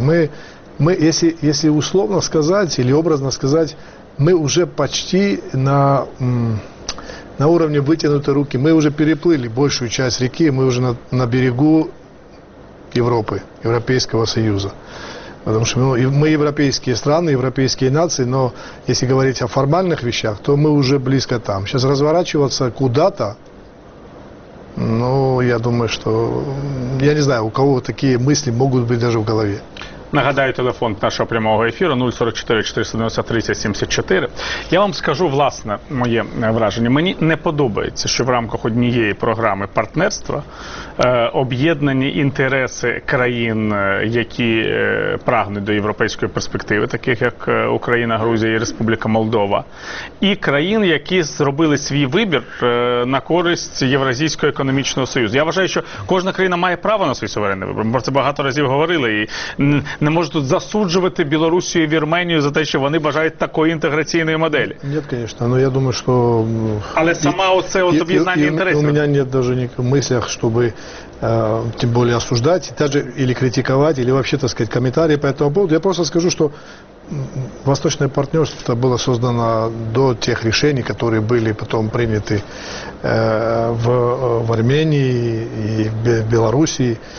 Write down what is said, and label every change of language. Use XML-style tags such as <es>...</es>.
<ru>Мы если условно сказать или образно сказать, мы уже почти на уровне вытянутой руки, мы уже переплыли большую часть реки, мы уже на берегу Европы, Европейского Союза. Потому что мы европейские страны, европейские нации, но если говорить о формальных вещах, то мы уже близко там. Сейчас разворачиваться куда-то, я думаю, что... Я не знаю, у кого такие мысли могут быть даже в голове.</ru> <uk>Нагадаю, телефон нашого прямого ефіру 044-490-3074. Я вам скажу, власне, моє враження. Мені не подобається, що в рамках однієї програми партнерства об'єднані інтереси країн, які прагнуть до європейської перспективи, таких як Україна, Грузія і Республіка Молдова, і країн, які зробили свій вибір на користь Євразійського економічного союзу. Я вважаю, що кожна країна має право на свій суверенний вибір. Ми про це багато разів говорили, і не можуть тут засуджувати Білорусію і Вірменію за те, що вони бажають такої інтеграційної моделі. Ні, звісно, але я думаю, що... Але сама оце об'єднання інтересів. У мене немає навіть ніяких мислях, щоб тим більше осуждати, навіть критикувати, або взагалі, так сказати, коментарі по цьому поводу. Я просто скажу, що</uk> <ru>Восточное партнерство было создано до тех решений, которые были потом приняты в Армении и в Белоруссии.</ru>